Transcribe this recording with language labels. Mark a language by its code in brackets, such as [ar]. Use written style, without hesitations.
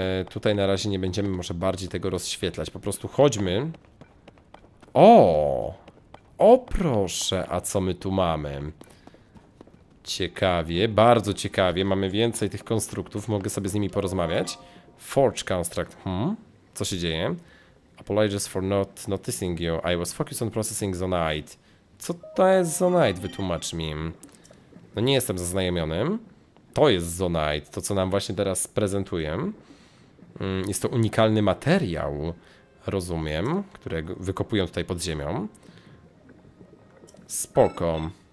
[pl] Tutaj na razie nie będziemy może bardziej tego rozświetlać, po prostu chodźmy. O proszę, a co my tu mamy? Ciekawie, bardzo ciekawie. Mamy więcej tych konstruktów, mogę sobie z nimi porozmawiać. Forge construct, co się dzieje? [en] Apologies for not noticing you. I was focused on processing zonite. [pl] Co to jest zonite? Wytłumacz mi. No nie jestem zaznajomionym. To jest zonite, to co nam właśnie teraz prezentuję. Jest to unikalny materiał, rozumiem, którego wykopują tutaj pod ziemią. Spoko.